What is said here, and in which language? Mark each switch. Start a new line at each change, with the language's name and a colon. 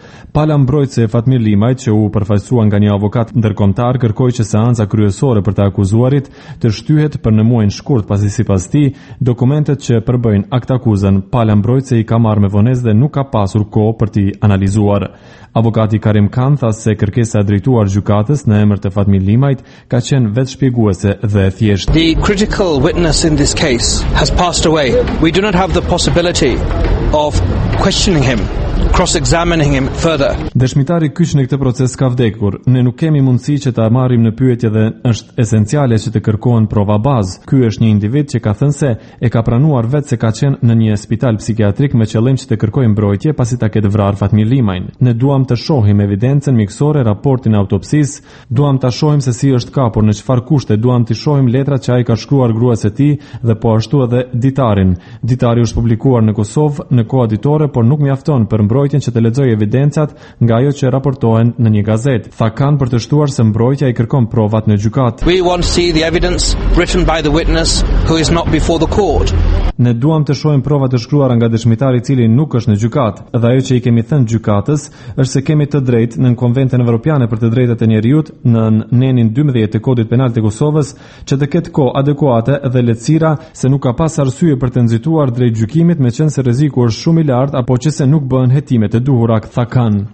Albanian: Pala mbrojtëse Fatmir Limaj, që u përfaqësua nga një avokat ndërkombëtar, kërkoi që seanca kryesore për të akuzuarit të shtyhet për në muajin shkurt, pasi sipas tij, dokumentet që përbëjnë akt akuzën, pala mbrojtëse i ka marrë me vonesë dhe nuk ka pasur kohë për t'i analizuar. Avokati Karim Khan tha se kërkesa e drejtuar gjykatës në emër të Fatmir Limajt ka qenë vetë shpjeguese dhe e thjeshtë.
English: The critical witness in this case has passed away. We do not have the possibility of questioning him, cross-examining him further.
Albanian: Dëshmitari kyç në këtë proces ka vdekur. Ne nuk kemi mundësi që ta marrim në pyetje dhe është esenciale që të kërkohen prova bazë. Ky është një individ që ka thënë se e ka pranuar vetë se ka qenë në një spital psikiatrik me qëllim që të kërkojë mbrojtje pasi ta ketë vrarë Fatmir Limajin. Ne duam të shohim evidencën mjekësore, raportin e autopsisë, duam ta shohim se si është kapur, në çfarë kushte, duam të shohim letrat që ai ka shkruar gruas së tij dhe po ashtu edhe ditarin. Ditari është publikuar në Kosovë në kohë ditore, por nuk mjafton për mbrojtjen që të lexojë evidencat nga ajo që raportohen në një gazetë. Tha kanë për të shtuar se mbrojtja i kërkon provat në gjykatë.
English: We want to see the evidence written by the witness who is not before the court.
Albanian: Ne duam të shohim provat të shkruara nga dëshmitari i cili nuk është në gjykatë, dhe ajo që i kemi thënë gjykatës është se kemi të drejtë nën Konventën Evropiane për të drejtat e njeriut, nën nenin 12 të Kodit Penal të Kosovës, që të ketë kohë adekuate dhe lehtësira se nuk ka pas arsye për të nxituar drejt gjykimit meqense rreziku është shumë i lartë apo qëse nuk bëhen hetimet e duhura, tha Kan.